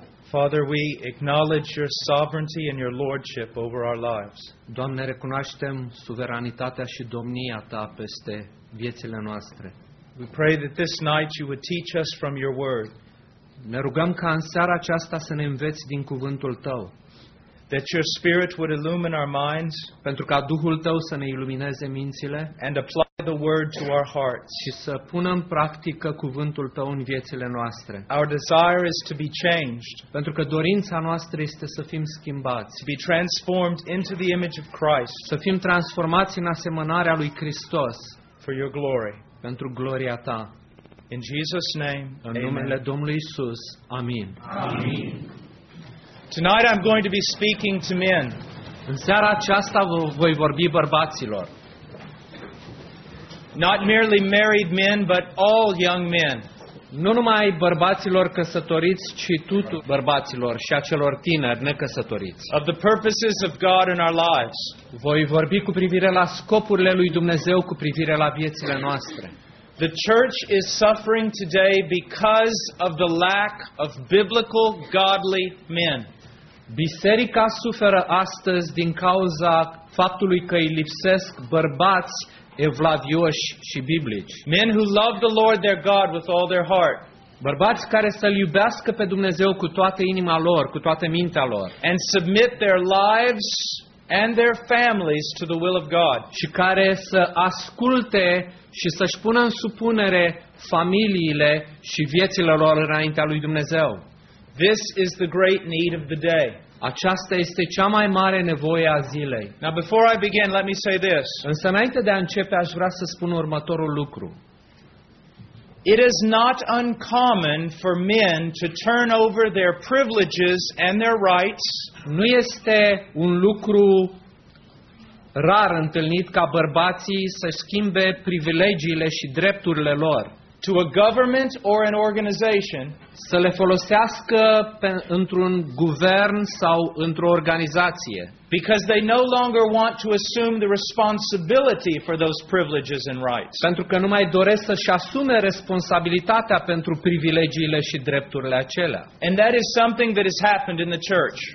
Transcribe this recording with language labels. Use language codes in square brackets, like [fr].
[en] Father, we acknowledge your sovereignty and your lordship over our lives. [ro] Doamne, recunoaștem suveranitatea și domnia Ta peste viețile noastre. [en] We pray that this night you would teach us from your word. [ro] Ne rugăm ca în seara aceasta să ne înveți din cuvântul Tău. [en] That your spirit would illumine our minds, [ro] pentru ca Duhul Tău să ne ilumineze mințile, [en] and apply the word to our hearts, [ro] și să punem în practică cuvântul Tău în viețile noastre. [en] Our desire is to be changed, [ro] pentru că dorința noastră este să fim schimbați, [en] to be transformed into the image of Christ, [ro] să fim transformați în asemănarea lui Hristos, [en] for your glory, [ro] pentru gloria Ta. [en] In Jesus' name, [ro] în numele Domnului Iisus, amin. Amin. [en] Tonight I'm going to be speaking to men. [ro] În seara aceasta voi vorbi bărbaților. [en] Not merely married men, but all young men. [ro] Nu numai bărbaților căsătoriți, ci tuturor bărbaților și acelor tineri necăsătoriți. [en] Of the purposes of God in our lives. [ro] Voi vorbi cu privire la scopurile lui Dumnezeu cu privire la viețile noastre. [en] The church is suffering today because of the lack of biblical godly men. [ro] Biserica suferă astăzi din cauza faptului că îi lipsesc bărbați evlavioși și biblici. [en] Men who love the Lord their God with all their heart. [ro] Bărbați care să-L iubească pe Dumnezeu cu toată inima lor, cu toată mintea lor. [en] And submit their lives and their families to the will of God. [ro] Și care să asculte și să-și pună în supunere familiile și viețile lor înaintea lui Dumnezeu. [en] This is the great need of the day. [ro] Aceasta este cea mai mare nevoie a zilei. [en] Now before I begin, let me say this. [ro] Însă înainte de a începe, aș vrea să spun următorul lucru. [en] It is not uncommon for men to turn over their privileges and their rights. [ro] Nu este un lucru rar întâlnit ca bărbații să schimbe privilegiile și drepturile lor [en] to a government or an organization, [ro] să le folosească într-un guvern sau într-o organizație, [en] because they no longer want to assume the responsibility for those privileges and rights, [ro] pentru că nu mai doresc să-și asume responsabilitatea pentru privilegiile și drepturile acelea. [en] And that is something that has happened in the church.